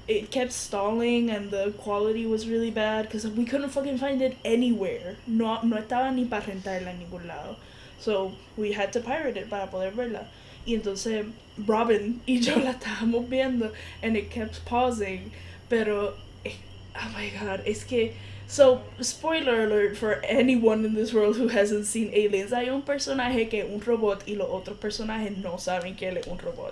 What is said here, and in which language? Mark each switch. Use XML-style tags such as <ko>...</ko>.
<en>It kept stalling and the quality was really bad because we couldn't fucking find it anywhere.</en> <es>No estaba ni para rentarla en ningún lado.</es> <en>So we had to pirate it</en> <es>para poder verla. Y entonces Robin y yo la estábamos viendo</es> <en>and it kept pausing.</en> <es>Pero,</es> <en>oh my God,</en> <es>es que</es> <en>So, spoiler alert for anyone in this world who hasn't seen Aliens.</en> <es>Hay un personaje que es un robot y los otros personajes no saben que él es un robot.</es>